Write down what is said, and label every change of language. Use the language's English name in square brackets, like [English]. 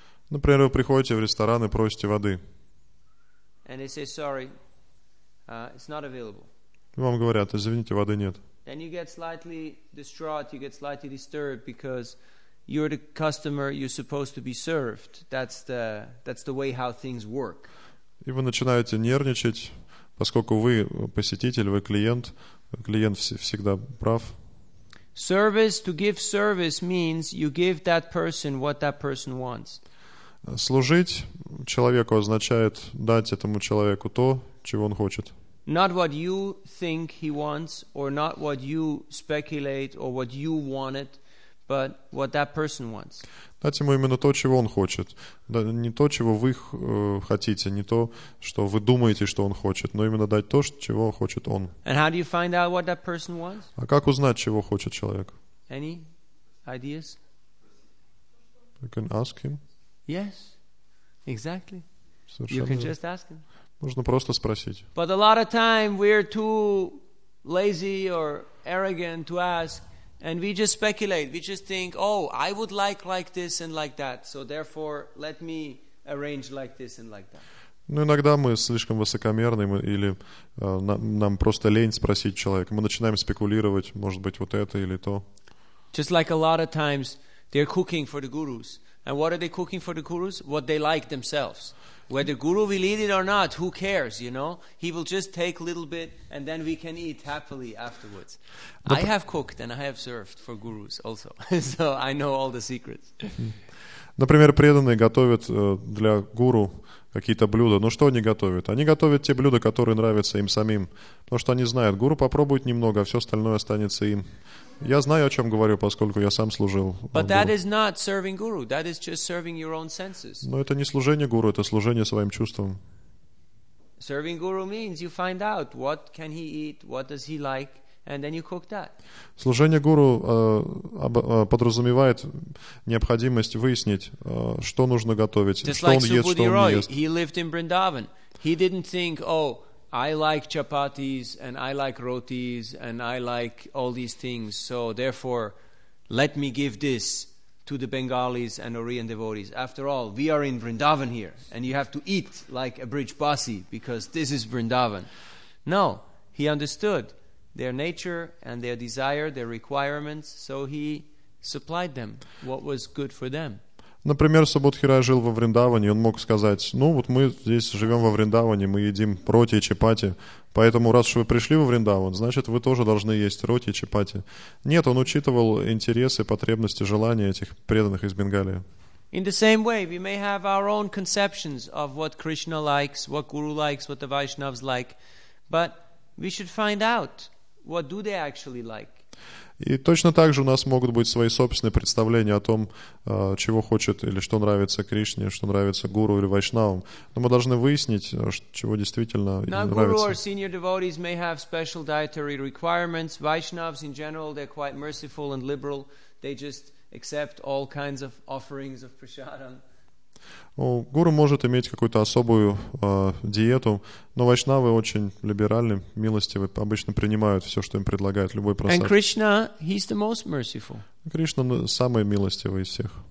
[Russian] Например, вы приходите в ресторан и просите воды. [English] And they say, sorry, it's not available. [Russian] Вам говорят, извините, воды нет. [English] Then you get slightly distraught, you get slightly disturbed because you're the customer, you're supposed to be served. That's the way how things work. [Russian] И вы начинаете нервничать, поскольку вы посетитель, вы клиент, клиент всегда прав. [English] Service, to give service means you give that person what that person wants. [Russian] Служить человеку означает дать этому человеку то, чего он хочет. [English] Not what you think he wants, or not what you speculate, or what you wanted, but what that person wants. [Russian] Дать ему именно то, чего он хочет. Да, не то, чего вы хотите, не то, что вы думаете, что он хочет, но именно дать то, что, чего хочет он. [English] And how do you find out what that person wants? [Russian] А как узнать, чего хочет человек? [English] Any ideas? You can ask him. Yes, exactly. [Russian] Совершенно [English] you can just ask him. [Russian] Можно просто спросить. [English] But a lot of time we're too lazy or arrogant to ask. And we just speculate, we just think, oh, I would like this and like that, so therefore, let me arrange like this and like that. [Russian] Ну, иногда мы слишком высокомерны, или нам просто лень спросить человека. Мы начинаем спекулировать, может быть, вот это или то. [English] Just like a lot of times, they're cooking for the gurus. And what are they cooking for the gurus? What they like themselves. Whether guru will eat it or not, who cares, you know? He will just take a little bit, and then we can eat happily afterwards. I have cooked, and I have served for gurus also, so I know all the secrets. [Russian] Например, преданные готовят для гуру какие-то блюда. Но что они готовят? Они готовят те блюда, которые нравятся им самим, потому что они знают, гуру попробует немного, а все остальное останется им. Я знаю, о чем говорю, поскольку я сам служил. [English] But that is not serving guru. That is just serving your own senses. [Russian] Но это не служение гуру, это служение своим чувствам. [English] Serving guru means you find out what can he eat, what does he like, and then you cook that. [Russian] Служение гуру подразумевает необходимость выяснить, что нужно готовить, [English] just [Russian] он ест, что он не ест. [English] He lived in Vrindavan. He didn't think, oh, I like chapatis and I like rotis and I like all these things, so therefore let me give this to the Bengalis and Orient devotees. After all, we are in Vrindavan here and you have to eat like a bridge basi because this is Vrindavan. No, he understood their nature and their desire, their requirements, so he supplied them what was good for them. [Russian] Например, Субудхирай жил во Вриндаване, и он мог сказать, ну вот мы здесь живем во Вриндаване, мы едим роти и чапати, поэтому раз уж вы пришли во Вриндаван, значит, вы тоже должны есть роти и чапати. Нет, он учитывал интересы, потребности, желания этих преданных из Бенгалии. [English] In the same way, we may have our own conceptions of what Krishna likes, what Guru likes, what the Vaishnavs like, but we should find out what do they actually like. [Russian] И точно так же у нас могут быть свои собственные представления о том, чего хочет или что нравится Кришне, что нравится гуру или вайшнавам. Но мы должны выяснить, чего действительно нравится. [English] Now, guru or senior devotees may have special dietary requirements. Vaishnavs, in general, they're quite merciful and liberal. They just accept all kinds of offerings of prasadam. [Russian] Гуру может иметь какую-то особую диету, но вайшнавы очень либеральны, милостивы, обычно принимают все, что им предлагают, любой просад. [English] And Krishna, he's the most merciful. [Russian] Кришна самый милостивый из всех.